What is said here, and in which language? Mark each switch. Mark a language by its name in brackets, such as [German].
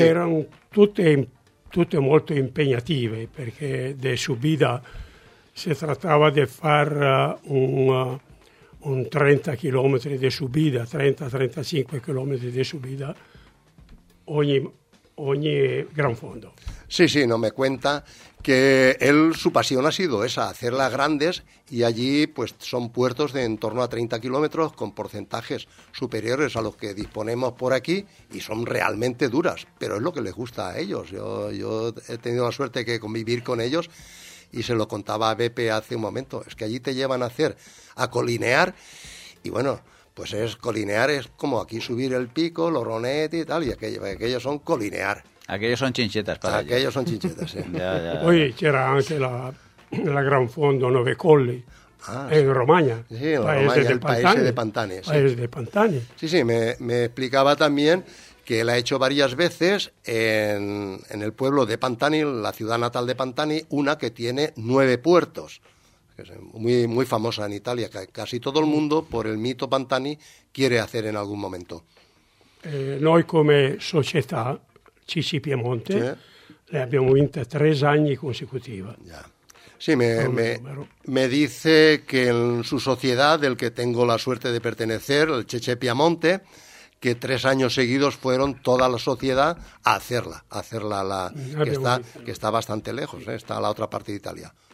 [Italian] Erano tutte molto impegnative, perché [Spanish] de subida [Italian] si trattava di fare un 30 km di subida, 30-35 km di subida ogni gran fondo. [Spanish] Sí, sí, no me cuenta que su pasión ha sido esa, hacerlas grandes, y allí pues son puertos de en torno a 30 kilómetros con porcentajes superiores a los que disponemos por aquí, y son realmente duras, pero es lo que les gusta a ellos. Yo he tenido la suerte de convivir con ellos, y se lo contaba a Pepe hace un momento, es que allí te llevan a colinear, y bueno, pues es colinear, es como aquí subir el pico, los ronetes y tal, y aquellos son colinear. Aquellos son chinchetas para ellos. Aquellos son chinchetas, sí. [Italian] Poi c'era anche la Gran Fondo Nove Colli, en Romagna. [Spanish] Sí, en Romagna, el paese de Pantani. Sí. Paese de Pantani. Sí, sí, me explicaba también que él ha hecho varias veces en el pueblo de Pantani, la ciudad natal de Pantani, una que tiene 9 puertos. Muy, muy famosa en Italia, que casi todo el mundo, por el mito Pantani, quiere hacer en algún momento. [Italian] Noi come società CC Piemonte, sí, le abbiamo vinta 3 anni consecutiva. [Spanish] Ya. Sí, me dice que en su sociedad, del que tengo la suerte de pertenecer, el Cheche Piemonte, que 3 años seguidos fueron toda la sociedad a hacerla que está bastante lejos, está a la otra parte de Italia.